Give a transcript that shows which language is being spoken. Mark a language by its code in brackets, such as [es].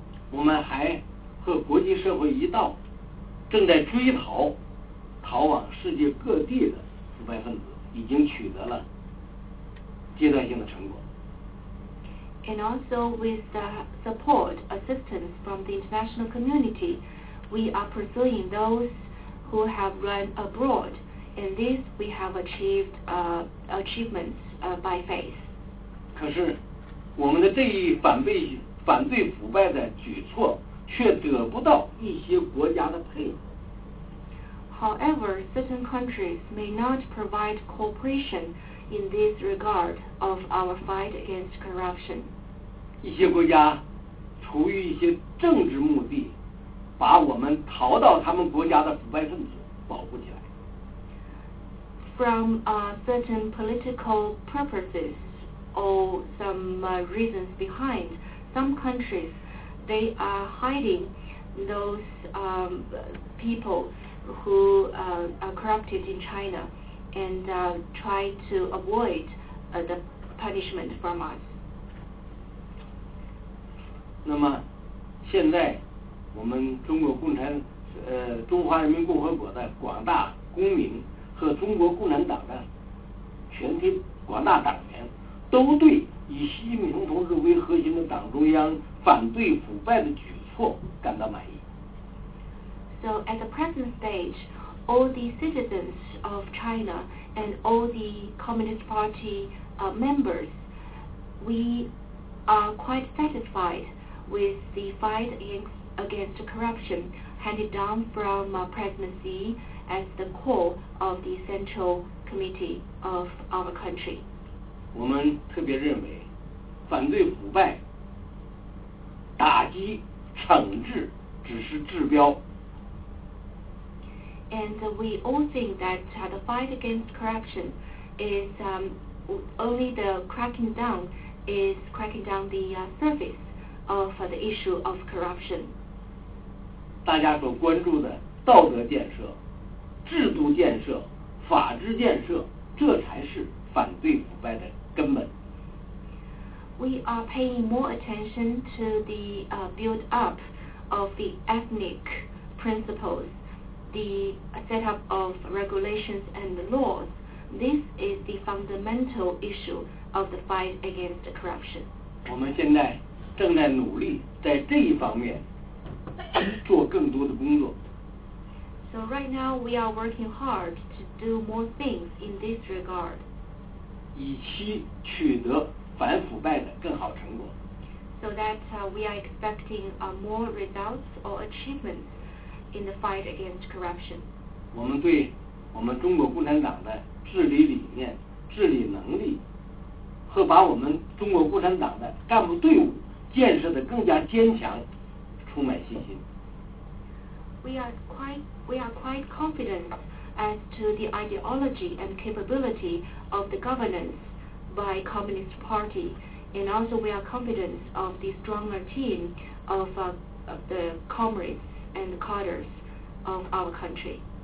[zh] 我们还和国际社会一道正在追逃逃往世界各地的腐败分子，已经取得了阶段性的成果。 [en] And also with the support assistance from the international community, we are pursuing those who have run abroad, and this we have achieved achievements by faith. [zh] 可是我们的这一反对腐败的举措却得不到一些国家的配合。 [en] However, certain countries may not provide cooperation in this regard of our fight against corruption. [zh] 一些国家出于一些政治目的，把我们逃到他们国家的腐败分子保护起来。 [en] from certain political purposes or some reasons behind, some countries, they are hiding those people who are corrupted in China and try to avoid the punishment from us. [zh] 那么现在我们中国共产中华人民共和国的广大公民和中国共产党的全体广大党员都对以习近平同志为核心的党中央反对腐败的举措感到满意。 [en] So at the present stage, all the citizens of China and all the Communist Party members, we are quite satisfied with the fight against corruption handed down from President Xi as the core of the Central Committee of our country. [zh] 我们特别认为反对腐败、打击、惩治只是治标。 [en] And we all think that the fight against corruption is only the cracking down the surface of the issue of corruption. [zh] 大家所关注的道德建设、制度建设、法治建设，这才是反对腐败的根本。 [en] We are paying more attention to the build up of the ethnic principles, the set up of regulations and the laws. This is the fundamental issue of the fight against corruption. [zh] 我们现在正在努力在这一方面做更多的工作。 [en] So right now we are working hard to do more things in this regard. [zh] 以期取得反腐败的更好成果。 [en] So that we are expecting more results or achievements in the fight against corruption. [zh] 我们对我们中国共产党的治理理念、治理能力，和把我们中国共产党的干部队伍建设得更加坚强，充满信心。 [en] We are quite confident as to the ideology and capability of the governance by Communist Party, and also we are confident of the stronger team of the comrades and cadres of our country.